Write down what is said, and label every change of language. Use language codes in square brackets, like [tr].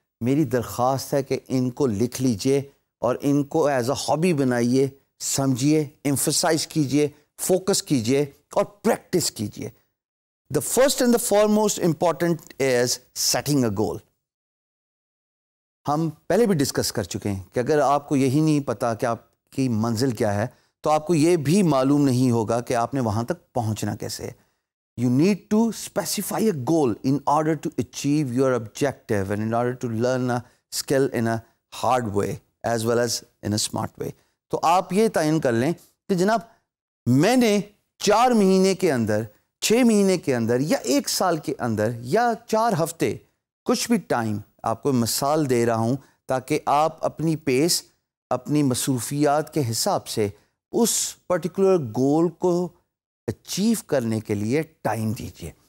[ur] میری درخواست ہے کہ ان کو لکھ لیجئے اور ان کو [en] as a hobby [ur] بنائیے، سمجھیے، امفسائز کیجئے، فوکس کیجئے اور پریکٹس کیجئے. [en] The first and the foremost important is setting a goal. [ur] ہم پہلے بھی ڈسکس کر چکے ہیں کہ اگر آپ کو یہی نہیں پتا کہ آپ کی منزل کیا ہے، تو آپ کو یہ بھی معلوم نہیں ہوگا کہ آپ نے وہاں تک پہنچنا کیسے ہے. [en] You need to specify a goal in order to achieve your objective and in order to learn a skill in a hard way as well as in a smart way. [ur] تو آپ یہ تعین کر لیں کہ جناب، میں نے چار مہینے کے اندر، چھ مہینے کے اندر، یا ایک سال کے اندر، یا چار ہفتے، کچھ بھی ٹائم آپ کو مثال دے رہا ہوں تاکہ آپ اپنی پیس، اپنی مصروفیات کے حساب سے اس پرٹیکولر گول کو اچیو کرنے کے لیے ٹائم دیجیے.